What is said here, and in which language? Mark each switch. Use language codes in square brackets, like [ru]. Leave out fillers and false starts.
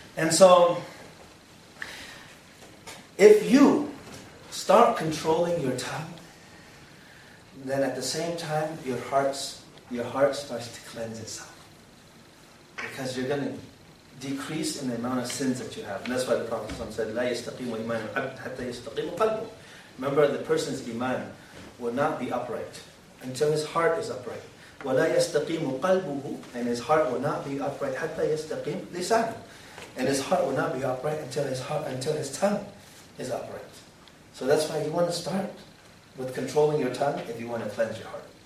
[en] And so, if you start controlling your tongue, then at the same time, your heart starts to cleanse itself. Because you're going to decrease in the amount of sins that you have. And that's why the Prophet said, [ar] لَا يَسْتَقِيمُ إِمَانُ الْعَبْدِ حَتَّى يَسْتَقِيمُ قَلْبُ. [en] Remember, the person's iman will not be upright until his heart is upright. [ar] وَلَا يَسْتَقِيمُ قَلْبُهُ. [en] And his heart will not be upright [ar] حَتَّى يَسْتَقِيمُ لِسَانُ. [en] And his heart will not be upright until his tongue is upright. So that's why you want to start with controlling your tongue if you want to cleanse your heart.